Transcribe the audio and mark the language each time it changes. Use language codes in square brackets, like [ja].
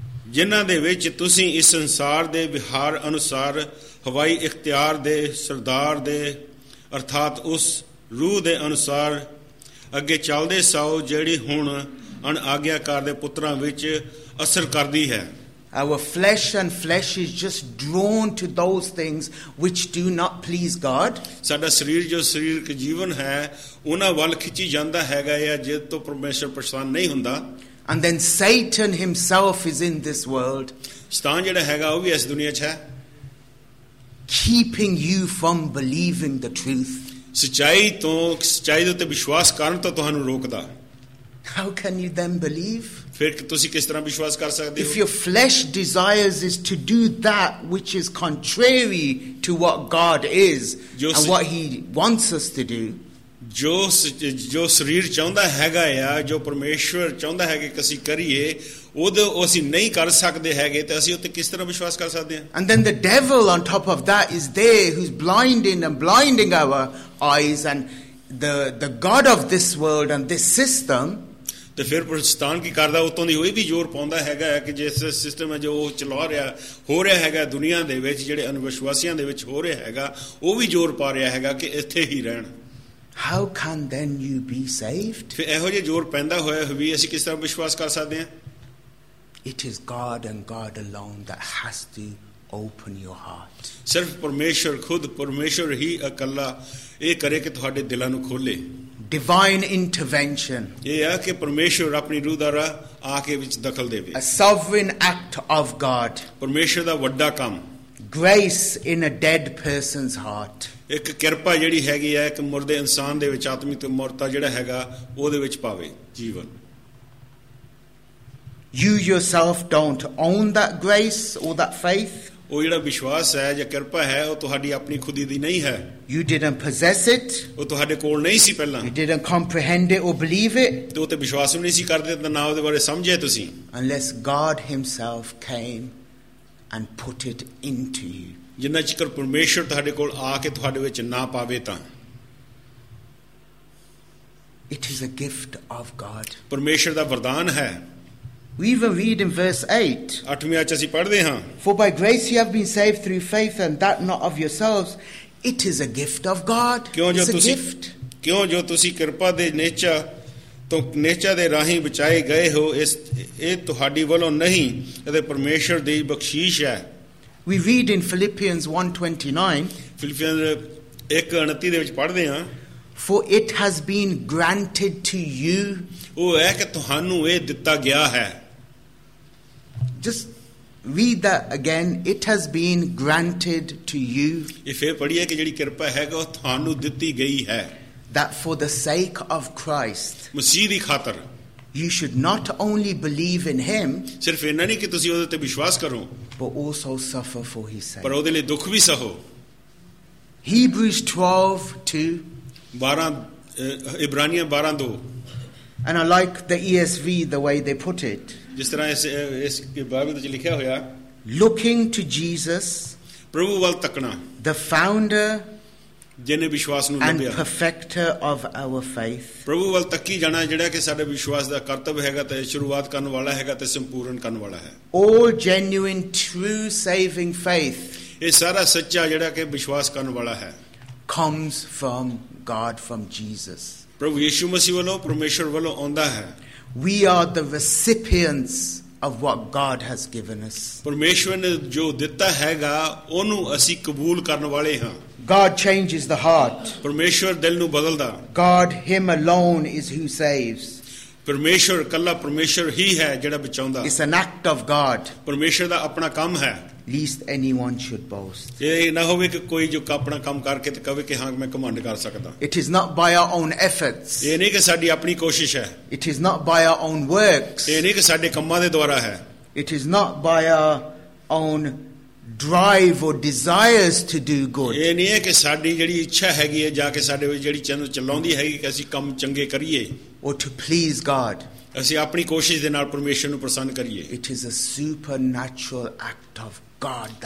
[pa] ਜਿਨ੍ਹਾਂ ਦੇ ਵਿੱਚ ਤੁਸੀਂ ਇਸ ਸੰਸਾਰ ਦੇ ਵਿਹਾਰ ਅਨੁਸਾਰ ਹਵਾਈ ਇਖਤਿਆਰ ਦੇ ਸਰਦਾਰ ਦੇ ਅਰਥਾਤ ਉਸ ਰੂਹ ਦੇ ਅਨੁਸਾਰ ਅੱਗੇ ਚੱਲਦੇ ਸੌ ਜਿਹੜੀ ਹੁਣ ਅਣ ਆਗਿਆਕਾਰ ਦੇ ਪੁੱਤਰਾਂ ਵਿੱਚ ਅਸਰ ਕਰਦੀ ਹੈ. [en] Our flesh and flesh is just drawn to those things which do not please God. [pa] ਸਾਡਾ ਸਰੀਰ ਜੋ ਸਰੀਰਕ ਜੀਵਨ ਹੈ ਉਹਨਾਂ ਵੱਲ ਖਿੱਚੀ ਜਾਂਦਾ ਹੈਗਾ ਆ ਜਿਹ ਤੋਂ ਪਰਮੇਸ਼ਰ ਪ੍ਰਸੰਨ ਨਹੀਂ ਹੁੰਦਾ. [en] And then Satan himself is in this world. [pa] ਸਤਾਨ ਜਿਹੜਾ ਹੈਗਾ ਉਹ ਵੀ ਇਸ ਦੁਨੀਆ 'ਚ ਹੈ. [en] Keeping you from believing the truth. [pa] ਸਚਾਈ ਤੋਂ ਸਚਾਈ ਦੇ ਉੱਤੇ ਵਿਸ਼ਵਾਸ ਕਰਨ ਤੋਂ ਤੁਹਾਨੂੰ ਰੋਕਦਾ. [en] How can you then believe? [pa] ਫਿਰ ਤੁਸੀਂ ਕਿਸ ਤਰ੍ਹਾਂ ਵਿਸ਼ਵਾਸ ਕਰ ਸਕਦੇ ਹੋ? [en] If your flesh desires is to do that which is contrary to what God is and what he wants us to do. [pa] ਜੋ ਸਰੀਰ ਚਾਹੁੰਦਾ ਹੈਗਾ ਆ, ਜੋ ਪਰਮੇਸ਼ਵਰ ਚਾਹੁੰਦਾ ਹੈ ਕਿ ਅਸੀਂ ਕਰੀਏ, ਉਹਦੇ ਅਸੀਂ ਨਹੀਂ ਕਰ ਸਕਦੇ ਹੈਗੇ, ਤੇ ਅਸੀਂ ਉੱਤੇ ਕਿਸ ਤਰ੍ਹਾਂ ਵਿਸ਼ਵਾਸ ਕਰ ਸਕਦੇ ਹਾਂ? [en] And then the devil on top of that is there who's blinding and blinding our eyes and the god of this world and this system. [pa] ਤੇ ਫਿਰ ਪ੍ਰਸਤਾਨ ਕੀ ਕਰਦਾ? ਉਤੋਂ ਦੀ ਉਹ ਵੀ ਜ਼ੋਰ ਪਾਉਂਦਾ ਹੈਗਾ ਕਿ ਜਿਸ ਸਿਸਟਮ ਹੈ ਜੋ ਉਹ ਚਲਾ ਰਿਹਾ ਹੋ ਰਿਹਾ ਹੈਗਾ ਦੁਨੀਆਂ ਦੇ ਵਿੱਚ, ਜਿਹੜੇ ਅਨਵਿਸ਼ਵਾਸੀਆਂ ਦੇ ਵਿੱਚ ਹੋ ਰਿਹਾ ਹੈਗਾ, ਉਹ ਵੀ ਜ਼ੋਰ ਪਾ ਰਿਹਾ ਹੈਗਾ ਕਿ ਇੱਥੇ ਹੀ ਰਹਿਣ. [en] How can then you be saved? [pa] ਫਿਰ ਇਹੋ ਜਿਹਾ ਜ਼ੋਰ ਪੈਂਦਾ ਹੋਇਆ ਵੀ ਅਸੀਂ ਕਿਸ ਤਰ੍ਹਾਂ ਵਿਸ਼ਵਾਸ ਕਰ ਸਕਦੇ ਹਾਂ? [en] It is God and God alone that has to open your heart. [pa] ਸਿਰਫ ਪਰਮੇਸ਼ਰ ਖੁਦ ਪਰਮੇਸ਼ਰ ਹੀ ਇਕੱਲਾ ਇਹ ਕਰੇ ਕਿ ਤੁਹਾਡੇ ਦਿਲਾਂ ਨੂੰ ਖੋਲੇ. [en] Divine intervention. [pa] ਇਹ ਹੈ ਕਿ ਪਰਮੇਸ਼ਰ ਆਪਣੀ ਰੂਹ ਦੁਆਰਾ ਆ ਕੇ ਵਿੱਚ ਦਖਲ ਦੇਵੇ. [en] A sovereign act of God. [pa] ਪਰਮੇਸ਼ਰ ਦਾ ਵੱਡਾ ਕੰਮ. [en] Grace in a dead person's heart. [pa] ਇੱਕ ਕਿਰਪਾ ਜਿਹੜੀ ਹੈਗੀ ਹੈ ਇੱਕ ਮੁਰਦੇ ਇਨਸਾਨ ਦੇ ਵਿੱਚ, ਆਤਮਿਕ ਮੁਰਤਾ ਜਿਹੜਾ ਹੈਗਾ ਉਹਦੇ ਵਿੱਚ ਪਾਵੇ ਜੀਵਨ. [en] You yourself don't own that grace or that faith. [pa] ਉਹ ਜਿਹੜਾ ਵਿਸ਼ਵਾਸ ਹੈ ਜਾਂ ਕਿਰਪਾ ਹੈ ਉਹ ਤੁਹਾਡੀ ਆਪਣੀ ਖੁਦੀ ਦੀ ਨਹੀਂ ਹੈ. [en] You didn't possess it. [pa] ਉਹ ਤੁਹਾਡੇ ਕੋਲ ਨਹੀਂ ਸੀ ਪਹਿਲਾਂ. [en] You didn't comprehend it or believe it. [pa] ਤੇ ਉਹ ਤੇ ਵਿਸ਼ਵਾਸ ਵੀ ਨਹੀਂ ਸੀ ਕਰਦੇ ਤਾਂ ਨਾ ਉਹਦੇ ਬਾਰੇ ਸਮਝੇ ਤੁਸੀਂ. [en] Unless God himself came and put it into you. [pa] ਜਿੰਨਾ ਚਿਕਰ ਪਰਮੇਸ਼ਰ ਤੁਹਾਡੇ ਕੋਲ ਆ ਕੇ ਤੁਹਾਡੇ ਵਿੱਚ ਨਾ ਪਾਵੇ ਤਾਂ. [en] It is a gift of God. [pa] ਪਰਮੇਸ਼ਰ ਦਾ ਵਰਦਾਨ ਹੈ. [en] We will read in verse 8. [pa] ਅੱਠਵੀਂ ਆਇਤ ਅਸੀਂ ਪੜ੍ਹਦੇ ਹਾਂ. [en] For by grace you have been saved through faith and that not of yourselves. It is a gift of God. [pa] ਕਿਉਂ ਜੋ ਤੁਸੀਂ ਕਿਰਪਾ ਦੇ ਨੇਚਾ ਤੋਂ ਨੇਚਾ ਦੇ ਰਾਹੀਂ ਬਚਾਏ ਗਏ ਹੋ, ਇਸ ਇਹ ਤੁਹਾਡੀ ਵੱਲੋਂ ਨਹੀਂ, ਇਹਦੇ ਪਰਮੇਸ਼ਰ ਦੀ ਬਖਸ਼ੀਸ਼ ਹੈ. [en] We read in Philippians 1:29. [pa] Philippians 1:29 ਦੇ ਵਿੱਚ ਪੜ੍ਹਦੇ ਹਾਂ. [en] For it has been granted to you. [pa] ਉਹ ਹੈ ਕਿ ਤੁਹਾਨੂੰ ਇਹ ਦਿੱਤਾ ਗਿਆ ਹੈ. [en] Just read that again. It has been granted to you. [pa] ਇਹ ਫਿਰ ਪੜ੍ਹੀਏ ਕਿ ਜਿਹੜੀ ਕਿਰਪਾ ਹੈ ਉਹ ਤੁਹਾਨੂੰ ਦਿੱਤੀ ਗਈ ਹੈ. [en] That for the sake of Christ. [pa] ਮਸੀਹ ਦੀ ਖਾਤਰ. [en] You should not only believe in him. [pa] ਸਿਰਫ ਇਹ ਨਹੀਂ ਕਿ ਤੁਸੀਂ ਉਹਦੇ ਤੇ ਵਿਸ਼ਵਾਸ ਕਰੋ. [en] But also suffer for his sake. [pa] ਪਰ ਉਹਦੇ ਲਈ ਦੁੱਖ ਵੀ ਸਹੋ. [en] Hebrews 12:2. [pa] 12 ਇਬਰਾਨੀਆਂ 12:2. [en] And I like the ESV the way they put it. [pa] ਜਿਸ ਤਰ੍ਹਾਂ ਇਸ ਬਾਬਲ ਵਿੱਚ ਲਿਖਿਆ ਹੋਇਆ. [en] Looking to Jesus. [pa] ਪ੍ਰਭੂ ਵੱਲ ਤੱਕਣਾ. [en] The founder. [pa] ਜਿਹਨੇ ਵਿਸ਼ਵਾਸ ਨੂੰ ਲੰਬਿਆ. [en] And perfecter of our faith. [pa] ਪ੍ਰਭੂ ਵੱਲ ਤੱਕੀ ਜਾਣਾ ਜਿਹੜਾ ਕਿ ਸਾਡੇ ਵਿਸ਼ਵਾਸ ਦਾ ਕਰਤਵ ਹੈਗਾ ਤੇ ਸ਼ੁਰੂਆਤ ਕਰਨ ਵਾਲਾ ਹੈਗਾ ਤੇ ਸੰਪੂਰਨ ਕਰਨ ਵਾਲਾ ਹੈ. [en] All genuine true saving faith. [pa] ਇਹ ਸਾਰਾ ਸੱਚਾ ਜਿਹੜਾ ਕਿ ਵਿਸ਼ਵਾਸ ਕਰਨ ਵਾਲਾ ਹੈ. [en] Comes from God, from Jesus. [pa] ਪ੍ਰਭੂ ਯੀਸ਼ੂ ਮਸੀਹ ਵੱਲੋਂ ਪਰਮੇਸ਼ਰ ਵੱਲੋਂ ਆਉਂਦਾ ਹੈ. [en] We are the recipients of what God has given us. [pa] ਪਰਮੇਸ਼ਰ ਨੇ ਜੋ ਦਿੱਤਾ ਹੈਗਾ ਉਹਨੂੰ ਅਸੀਂ ਕਬੂਲ ਕਰਨ ਵਾਲੇ ਹਾਂ. [en] God changes the heart. [pa] ਪਰਮੇਸ਼ਰ ਦਿਲ ਨੂੰ ਬਦਲਦਾ. [en] God him alone is who saves. [pa] ਪਰਮੇਸ਼ਰ ਕੱਲਾ ਪਰਮੇਸ਼ਰ ਹੀ ਹੈ ਜਿਹੜਾ ਬਚਾਉਂਦਾ. [en] It's an act of God. [pa] ਪਰਮੇਸ਼ਰ ਦਾ ਆਪਣਾ ਕੰਮ ਹੈ. [en] Least anyone should boast. [pa] ਇਹ ਨਾ ਹੋਵੇ ਕਿ ਕੋਈ ਜੋ ਆਪਣਾ ਕੰਮ ਕਰਕੇ ਤੇ ਕਹੇ ਕਿ ਹਾਂ ਮੈਂ ਕਮਾਂਡ ਕਰ ਸਕਦਾ. [en] It is not by our own efforts. [pa] ਇਹ ਨਹੀਂ ਕਿ ਸਾਡੀ ਆਪਣੀ ਕੋਸ਼ਿਸ਼ ਹੈ. [en] It is not by our own works. [pa] ਇਹ ਨਹੀਂ ਕਿ ਸਾਡੇ ਕੰਮਾਂ ਦੇ ਦੁਆਰਾ ਹੈ. [en] It is not by our own drive or desires to do good. [pa] ਇਹ ਨਹੀਂ ਹੈ ਕਿ ਸਾਡੀ ਜਿਹੜੀ ਇੱਛਾ ਹੈਗੀ ਹੈ ਜਾਂ ਕਿ ਸਾਡੇ ਵਿੱਚ ਜਿਹੜੀ ਚੰਨ ਚਲਾਉਂਦੀ ਹੈਗੀ ਕਿ ਅਸੀਂ ਕੰਮ ਚੰਗੇ ਕਰੀਏ. [en] Or to please God. [pa] ਅਸੀਂ ਆਪਣੀ ਕੋਸ਼ਿਸ਼ ਦੇ ਨਾਲ ਪਰਮੇਸ਼ਰ ਨੂੰ ਪ੍ਰਸੰਨ ਕਰੀਏ. [en] It is a supernatural act of God.